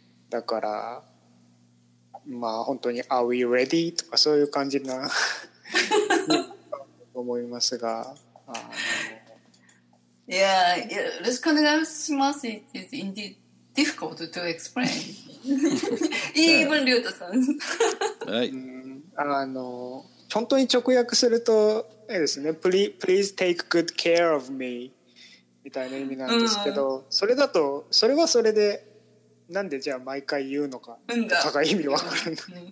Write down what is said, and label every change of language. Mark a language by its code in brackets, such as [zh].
[ja] だから、本当に、 [en] Are we ready? [ja] とか、そういう感じな、思いますが、よろしくお願いします。 [en] It is indeed difficult to explain. Even リュウタさん。 [ja] 本当に直訳すると、ですね、 [en] Please take good care of me [ja] みたいな意味なんですけど、それだと、それはそれで、なんでじゃあ毎回言うのかとかが意味わかるんだ。